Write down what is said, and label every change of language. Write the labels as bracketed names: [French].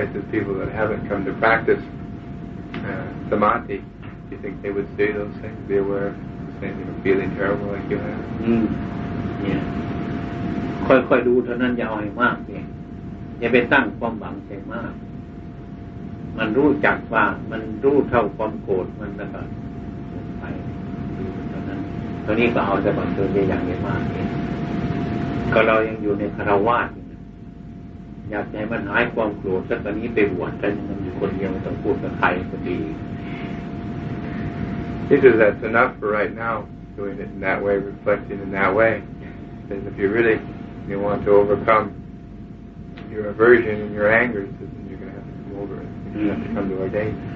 [English] It's the people that haven't come to practice samadhi. You think they would see those things, be aware of the same, you know, feeling terrible like you have? Yeah. [Thai] ค่อยๆดูเท่านั้นอย่าเอาให้มากเองอย่าไปตั้งความหวังใส่มากมันรู้จักว่ามันรู้เท่าความโกรธมันแล้วก็ไปดูเท่านั้นตอนนี้ก็เอาแต่บังเกิดอย่างนี้มากเองก็เรายังอยู่ในคารวาสอยากให้มันหายความโกรธแต่ตอนนี้ไปบวชกันมันอยู่คนเดียวต้องพูดกับใครก็ดี [English] This is that's enough for right now doing it in that way reflecting in that way then if you reallyYou want to overcome your aversion and your anger, so then you're going to have to come over and you're going to have to come to ordain.